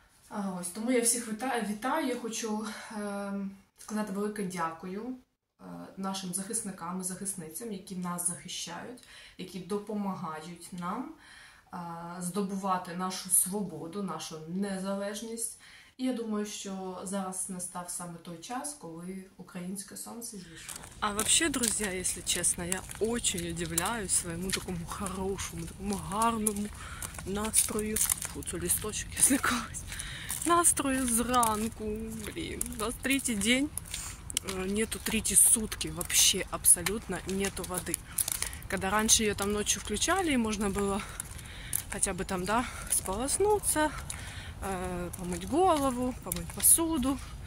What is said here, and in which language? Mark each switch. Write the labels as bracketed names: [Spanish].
[Ukrainian] Ось, тому я всіх вітаю. Я хочу сказати велике дякую нашим захисникам і захисницям, які нас захищають, які допомагають нам здобувати нашу свободу, нашу незалежність. І я думаю, що зараз настав саме той час, коли українське сонце зійшло. [Russian] А вообще, друзья, если честно, я очень удивляюсь своему такому хорошему, такому гарному настрою. [Ukrainian] Фу, це листочок, если когось. Настрою зранку, блин. [Russian] У нас третий день, нету третьи сутки вообще абсолютно нету воды. Когда раньше ее там ночью включали, и можно было хотя бы там, да, сполоснуться, помыть голову, помыть посуду.